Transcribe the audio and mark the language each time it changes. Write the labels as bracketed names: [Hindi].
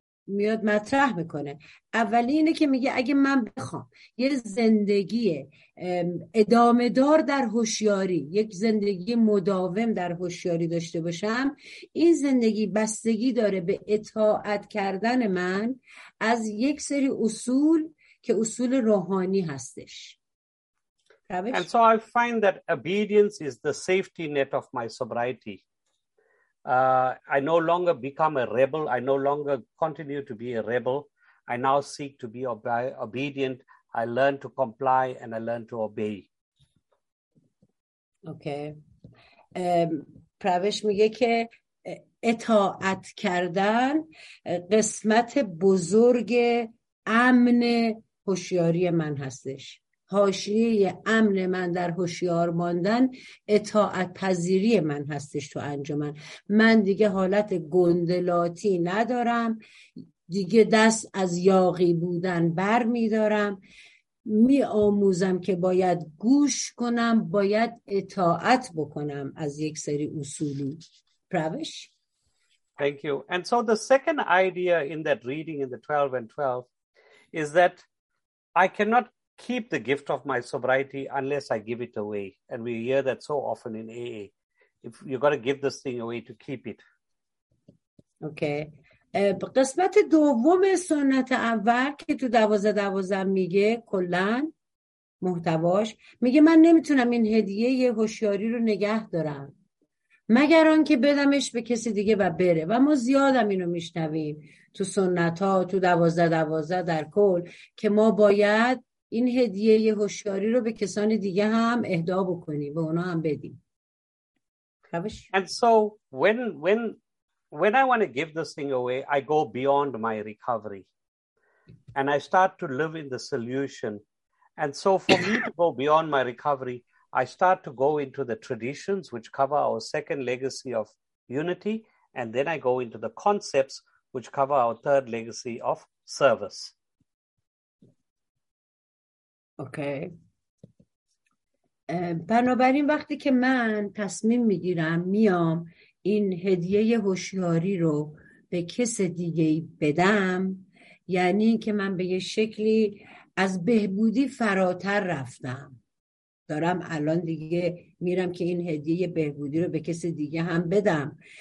[Persian] میاد مطرح میکنه. اولی اینه که میگه اگه من بخوام یه زندگی ادامه دار در هوشیاری، یک زندگی مداوم در هوشیاری داشته باشم، این زندگی بستگی داره به اطاعت کردن من از یک سری اصول که اصول روحانی هستش. [English] And so I find that obedience is the safety net of my sobriety. I no longer become a rebel. I no longer continue to be a rebel. I now seek to be obedient. I learn to comply and I learn to obey. Okay. [Persian] Pravesh میگه که اطاعت کردن قسمت بزرگ امن هوشیاری من هستش. حاشیه امن من در هوشیار ماندن اطاعت پذیری من هستش تو انجمن. من دیگه حالت گندلاتی ندارم، دیگه دست از یاغی بودن بر می دارم، می آموزم که باید گوش کنم، باید اطاعت بکنم از یک سری اصولی. پروش. [English] Thank you. And so the second idea in that reading in the 12 and 12 is that I cannot keep the gift of my sobriety unless I give it away. And we hear that so often in AA. If you've got to give this thing away to keep it. Okay. [Persian] قسمت دوم سنت اول که تو دوازده دوازده میگه، کلن محتواش میگه من نمیتونم این هدیه یه هوشیاری رو نگه دارم مگر آن که بدمش به کسی دیگه و بره. و ما زیادم اینو میشنویم تو سنت ها، تو دوازده دوازده در کل، که ما باید این هدیه یه هوشیاری رو به کسان دیگه هم اهدا بکنیم، به اونا هم بدیم. [English] And so when I want to give this thing away, I go beyond my recovery and I start to live in the solution. And so for me to go beyond my recovery, I start to go into the traditions which cover our second legacy of unity, and then I go into the concepts which cover our third legacy of service. Okay. [Persian] بنابراین وقتی که من تصمیم میگیرم میام این هدیه هوشیاری رو به کس دیگه بدم، یعنی که من به یه شکلی از بهبودی فراتر رفتم، دارم الان دیگه میرم که این هدیه بهبودی رو به کس دیگه هم بدم.